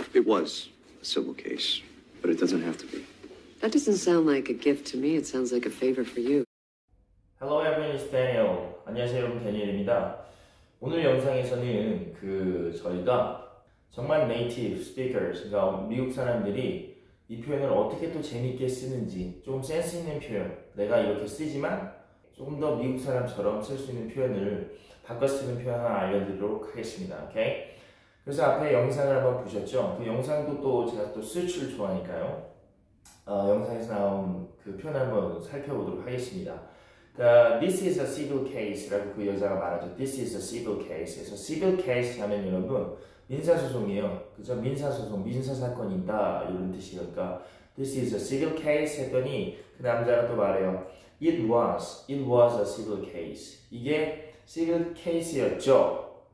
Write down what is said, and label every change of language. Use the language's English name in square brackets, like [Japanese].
[English] It was a civil case, but it doesn't have to be. That doesn't sound like a gift to me. It sounds like a favor for you. Hello, everyone. It's Daniel. [Korean] 안녕하세요, 여러분. 대니엘입니다. 오늘 영상에서는 저희가 정말 native speakers, 그러니까 미국 사람들이 이 표현을 어떻게 또 재밌게 쓰는지 좀 센스 있는 표현, 내가 이렇게 쓰지만 조금 더 미국 사람처럼 쓸 수 있는 표현을 바꿔 쓰는 표현 하나 알려드리도록 하겠습니다. 오케이? 그래서 앞에 영상을 한번 보셨죠? 그 영상도 또 제가 또 수출 좋아하니까요. 영상에서 나온 그 표현 한번 살펴보도록 하겠습니다. [English] This is a civil case [Korean] 라고 그 여자가 말하죠. [English] This is a civil case. [Korean] 그래서 civil case 하면 여러분 민사소송이에요. 그죠? 민사소송, 민사사건이다 이런 뜻이에요. 그러니까 [English] This is a civil case [Korean] 했더니 그 남자가 또 말해요. [English] It was a civil case. [Korean] 이게 civil case였죠.